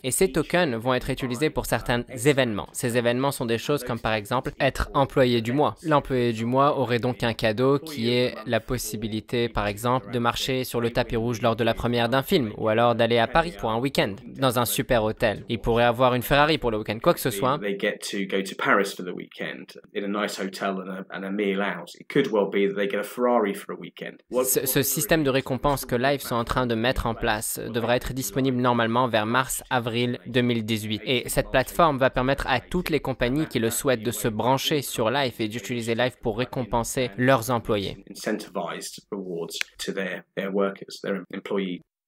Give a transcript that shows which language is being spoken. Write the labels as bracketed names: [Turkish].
[French] Et ces tokens vont être utilisés pour certains événements. Ces événements sont des choses comme par exemple être employé du mois. L'employé du mois aurait donc un cadeau qui est la possibilité par exemple de marcher sur le tapis rouge lors de la première d'un film ou alors d'aller à Paris pour un week-end dans un super hôtel. Il pourrait avoir une Ferrari pour le week-end, quoi que ce soit. [English] They get to go to Paris for the weekend in a nice hotel and a meal out. It could well be that they get a Ferrari for a weekend. [French] Ce système de récompense que Live sont en train de mettre en place devrait être disponible normalement vers mars-avril 2018. Et cette plateforme va permettre à toutes les compagnies qui le souhaitent de se brancher sur Live et d'utiliser Live pour récompenser leurs employés. [English] Incentivized rewards to their workers, their employees.